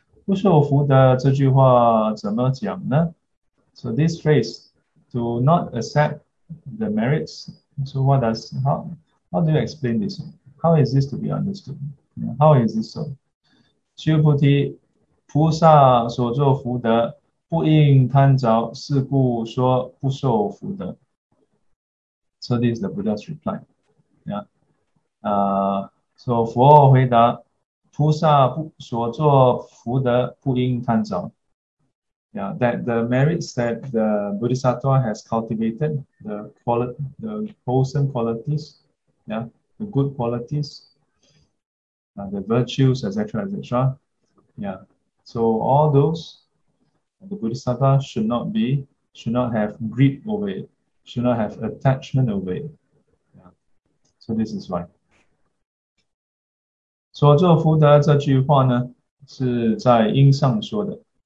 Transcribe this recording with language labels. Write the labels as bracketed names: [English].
[Chinese] 不受福德这句话怎么讲呢? [English] So this phrase, to not accept the merits. So what does, how do you explain this? How is this to be understood? How is this so? [Chinese] 须菩提, 菩萨所作福德, 不应贪着, 是故说不受福德. [English] So this is the Buddha's reply. [Chinese] So 佛回答, 菩萨所作福德, 不应贪着. [English] That the merits that the Bodhisattva has cultivated, the wholesome qualities, the good qualities, the virtues, etc., etc. So all those, the Bodhisattva should not have greed over it, should not have attachment over it. So this is why. [Chinese] 所作福德这句话呢, 是在音上说的.